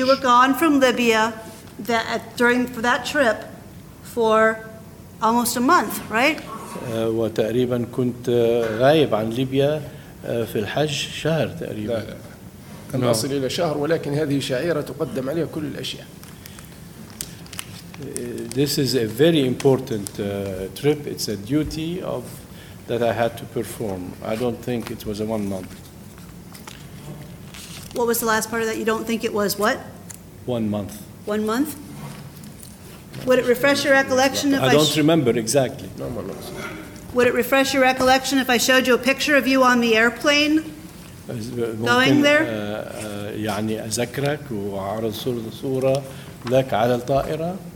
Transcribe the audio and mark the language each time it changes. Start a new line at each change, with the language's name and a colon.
English: But you were gone from Libya during that trip for almost a month, right?
Arabic: وتقريبا كنت غائب عن ليبيا في الحج شهر تقريبا. نصل إلى شهر ولكن هذه شعيرة تقدم عليها كل الأشياء.
English: This is a very important trip. It's a duty of that I had to perform. I don't think it was a 1 month. What was the last part of that? You don't think it was what? 1 month. 1 month? Would it refresh your recollection if I don't remember exactly. No, 1 month. Would it refresh your recollection if I showed you a picture of you on the airplane going there?
Arabic: يعني أذكرك وأعرض صورة لك على الطائرة.